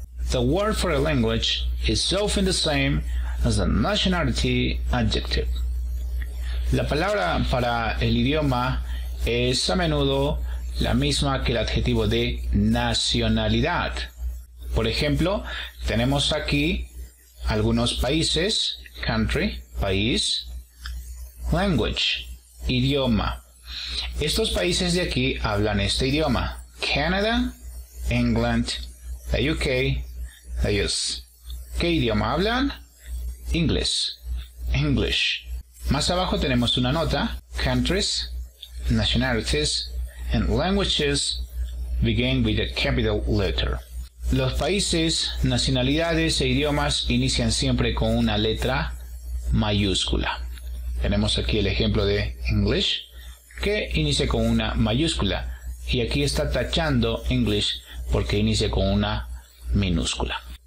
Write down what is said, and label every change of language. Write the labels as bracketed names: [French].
[English] The word for a language is often the same as a nationality adjective. [Spanish] La palabra para el idioma es a menudo la misma que el adjetivo de nacionalidad. Por ejemplo, tenemos aquí algunos países, country, país, language, idioma. Estos países de aquí hablan este idioma. Canada, England, the UK, the US. ¿Qué idioma hablan? Inglés, English. Más abajo tenemos una nota. [English] Countries, nationalities, and languages begin with a capital letter. [Spanish] Los países, nacionalidades e idiomas inician siempre con una letra mayúscula. Tenemos aquí el ejemplo de English, que inicia con una mayúscula. Y aquí está tachando English porque inicia con una minúscula.